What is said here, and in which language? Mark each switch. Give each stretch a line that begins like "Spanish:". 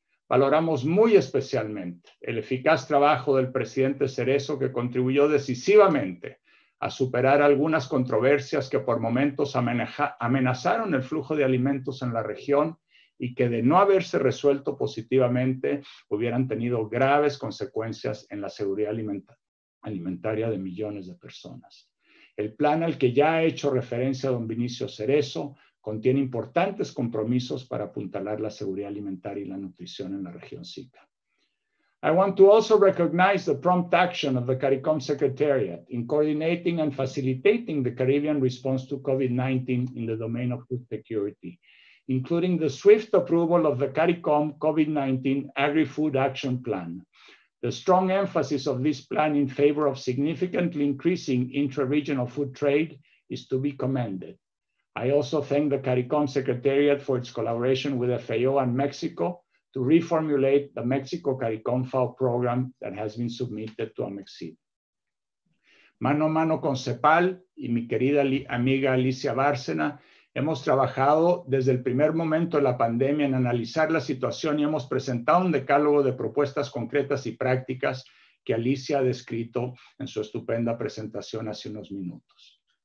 Spanish: Valoramos muy especialmente el eficaz trabajo del presidente Cerezo, que contribuyó decisivamente a superar algunas controversias que por momentos amenazaron el flujo de alimentos en la región y que, de no haberse resuelto positivamente, hubieran tenido graves consecuencias en la seguridad alimentaria de millones de personas. El plan al que ya ha hecho referencia don Vinicio Cerezo contiene importantes compromisos para apuntalar la seguridad alimentaria y la nutrición en la región SICA.
English: I want to also recognize the prompt action of the CARICOM Secretariat in coordinating and facilitating the Caribbean response to COVID-19 in the domain of food security, including the swift approval of the CARICOM COVID-19 Agri-Food Action Plan. The strong emphasis of this plan in favor of significantly increasing intra-regional food trade is to be commended. I also thank the CARICOM Secretariat for its collaboration with FAO and Mexico to reformulate the Mexico CARICOM FAO program that has been submitted to AMEXID.
Spanish: Mano a mano con CEPAL y mi querida amiga Alicia Bárcena, hemos trabajado desde el primer momento de la pandemia en analizar la situación y hemos presentado un decálogo de propuestas concretas y prácticas que Alicia ha descrito en su estupenda presentación hace unos minutos.